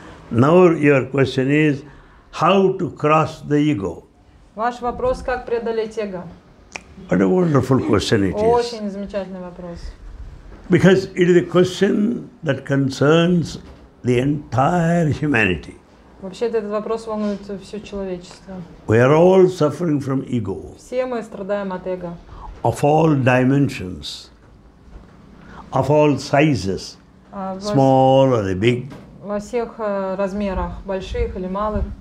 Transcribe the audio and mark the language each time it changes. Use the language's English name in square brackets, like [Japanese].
[English] Now your question is, how to cross the ego? [Russian] Ваш вопрос, как преодолеть эго? [English] What a wonderful question it is. [Russian] Очень замечательный вопрос. [English] Because it is a question that concerns the entire humanity. [Russian] Вообще этот вопрос волнует все человечество. [English] We are all suffering from ego. [Russian] Все мы страдаем от эго. [English] Of all dimensions. Of all sizes, small or big. [Russian] Во всех размерах, больших или малых.